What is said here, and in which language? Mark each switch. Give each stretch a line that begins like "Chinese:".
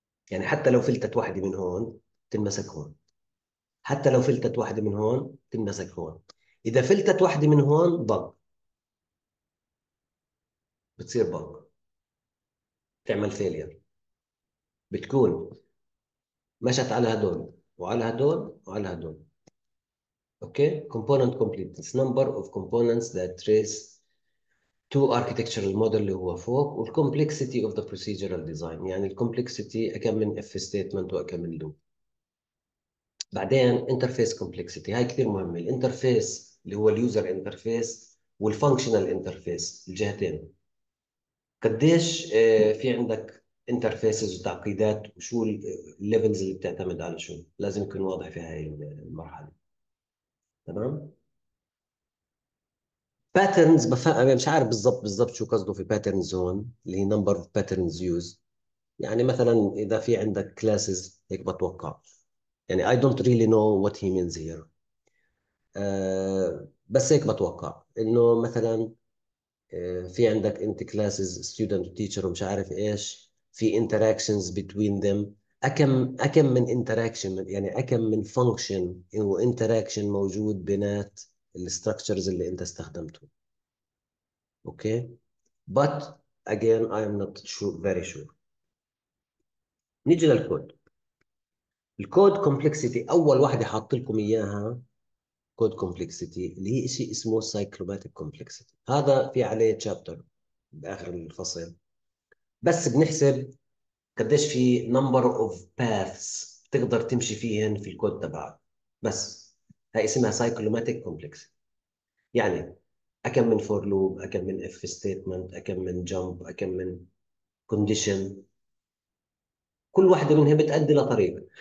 Arabic: يعني حتى لو فلتت واحدة من هون تنمسك هون، حتى لو فلتت واحدة من هون تنمسك هون، إذا فلتت واحدة من هون بق بتصير بق، تعمل فيلير، بتكون مشت على هدول وعلى هدول وعلى هدول.
English: okay, component completeness number of components that trace to architectural model
Arabic: اللي هو فوق،
English: وال complexity of the procedural design، يعني ال complexity
Arabic: أكم من
English: if statement
Arabic: وأكم من
English: loop.
Arabic: بعدين interface complexity، هاي كثير مهمة، ال interface اللي هو ال user interface وال functional interface الجهتين، قديش في عندك interfaces وتعقيدات، وشو ال levels اللي بتعتمد على شو، لازم يكون واضح في هاي المرحلة، تمام. باترنز مش عارف بالضبط شو قصده في باترن زون، اللي هي نمبر اوف باترنز يوز، يعني مثلا اذا في عندك كلاسز هيك بتوقع، يعني
English: I don't really know what he means here,
Arabic: بس هيك بتوقع انه مثلا في عندك انت كلاسز ستودنت وتيتشر ومش عارف ايش، في انتراكشنز بتوين ذم، اكم من انتراكشن، يعني اكم من فانكشن هو انتراكشن موجود بينات الستراكشرز اللي انت استخدمته.
English: Okay, but again I am not sure, very sure.
Arabic: نيجي للكود. الكود كومبلكسيتي اول واحده حاط لكم اياها كود كومبلكسيتي، اللي هي شيء اسمه سايكلوماتيك كومبلكسيتي، هذا في عليه تشابتر باخر الفصل، بس بنحسب قديش في نمبر اوف باثس تقدر تمشي فيهن في الكود تبعك، بس هاي اسمها سايكلوماتيك كومبلكس، يعني اكم من فور لوب، اكم من اف ستيتمنت، اكم من جمب، اكم من كونديشن، كل واحده منها بتؤدي لطريق.